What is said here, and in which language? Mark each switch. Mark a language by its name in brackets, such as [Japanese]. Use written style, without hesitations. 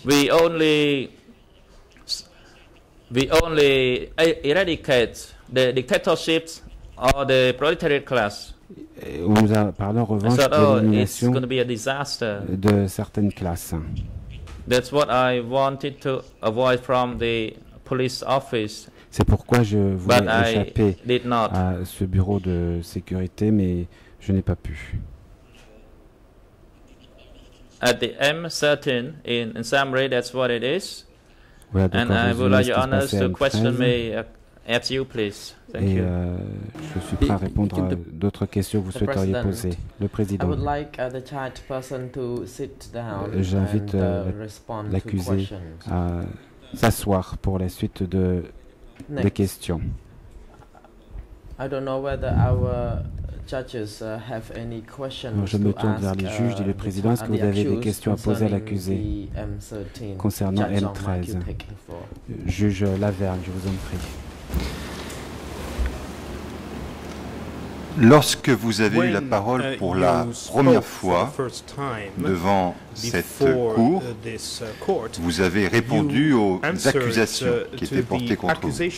[English] We only eradicate the dictatorships or the proletariat class. [French] On nous a parlé en revanche de l'élimination de certaines classes. [English] That's what I wanted to avoid from the police office. [French] C'est pourquoi je voulais échapper à ce bureau de sécurité, mais je n'ai pas pu. [English] At the M13 in summary, that's what it is. [French] Voilà, donc [English] and I would like your honors to question me at you, please. [French] Et je suis prêt à répondre à d'autres questions que vous souhaiteriez poser. Le président, j'invite l'accusé à s'asseoir pour la suite de des questions. [English] I don't know whether our judges have any questions. [French] Je me tourne vers les juges, dit le président. Est-ce que vous avez des questions à poser à l'accusé concernant M13? Juge Laverne, je vous en prie. Lorsque vous avez eu la parole pour la première fois devant cette cour, vous avez répondu aux accusations qui étaient portées contre vous.